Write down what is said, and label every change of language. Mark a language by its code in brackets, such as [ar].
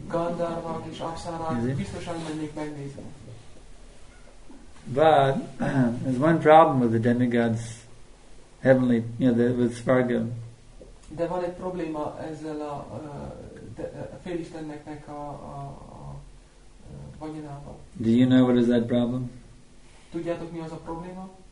[hu] Gandharvak és Apsarák, biztosan mennék megnézni. [en] But there's one problem with the demigods, heavenly, you know, with Svarga. [hu] De van egy probléma ezzel a félisteneknek a vagyonával. [en] Do you know what is that problem? [hu] Tudjátok, mi az a probléma?